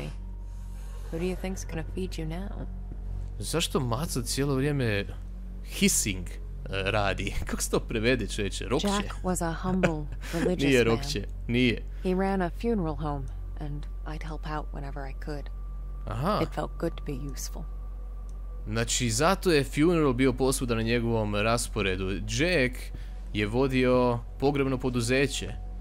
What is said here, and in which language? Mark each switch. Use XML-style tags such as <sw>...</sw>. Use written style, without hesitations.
<en>Who do you think's gonna feed you now?</en> <hr>Zašto maca cijelo vrijeme hissing radi? Kako se to prevede, čovječe? Rokće.</hr> <en>Jack was a humble religious man.</en> <hr>Nije rokće, nije.</hr> <en>He ran a funeral home and I'd help out whenever I could. Aha. It felt good to be useful.</en> <hr>Znači, zato je funeral bio posvuda na njegovom rasporedu. Jack je vodio pogrebno poduzeće.</hr>